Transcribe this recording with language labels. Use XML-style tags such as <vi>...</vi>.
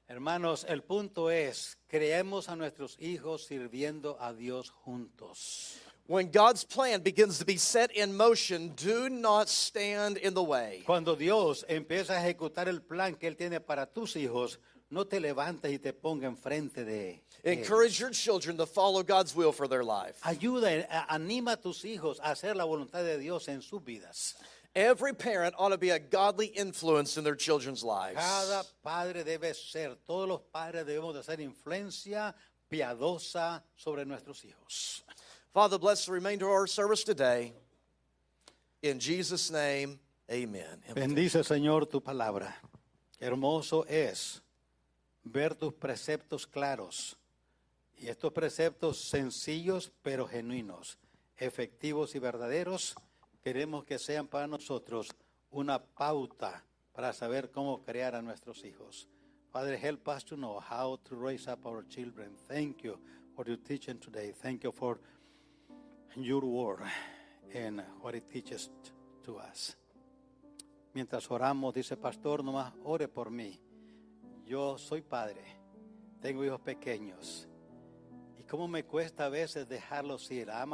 <es>Hermanos, el punto es, creemos a nuestros hijos sirviendo a Dios juntos.</es> <en>When God's plan begins to be set in motion, do not stand in the way.</en> <es>Cuando Dios empieza a ejecutar el plan que él tiene para tus hijos, no te levantes y te ponga enfrente de él.</es> <en>Encourage your children to follow God's will for their life.</en> <es>Ayuda, anima a tus hijos a hacer la voluntad de Dios en sus vidas.</es> <en>Every parent ought to be a godly influence in their children's lives.</en> <es>Cada padre debe ser, todos los padres debemos de ser influencia piadosa sobre nuestros hijos.</es> <en>Father, bless the remainder of our service today. In Jesus' name, amen.</en> <es>Bendice, Señor, tu palabra. Hermoso es ver tus preceptos claros. Y estos preceptos sencillos, pero genuinos, efectivos y verdaderos, queremos que sean para nosotros una pauta para saber cómo crear a nuestros hijos.</es> <en>Father, help us to know how to raise up our children. Thank you for your teaching today. Thank you for your word and what it teaches to us.</en> <es>Mientras oramos, dice Pastor, nomás ore por mí. Yo soy padre, tengo hijos pequeños. Y cómo me cuesta a veces dejarlos ir.</es>